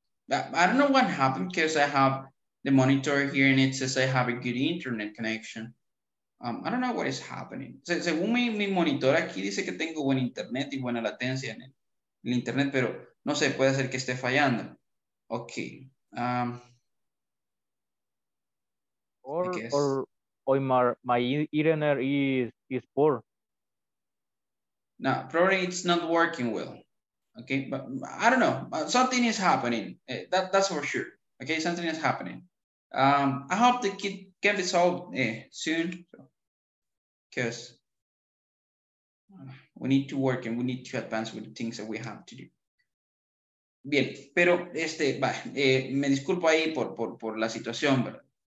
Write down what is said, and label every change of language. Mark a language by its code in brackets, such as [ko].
[en] I don't know what happened because I have the monitor here and it says I have a good internet connection. I don't know what is happening. [es] Según mi monitor aquí dice que tengo buen internet y buena latencia en el internet, pero no sé, puede ser que esté fallando. [en] Ok. I Or guess. my internet is poor. No, probably it's not working well. Okay, but I don't know. Something is happening. That's for sure. Okay, something is happening. I hope the kid can be solved soon. Because we need to work and we need to advance with the things that we have to do. [es] Bien, pero me disculpo ahí por la situación, ¿verdad?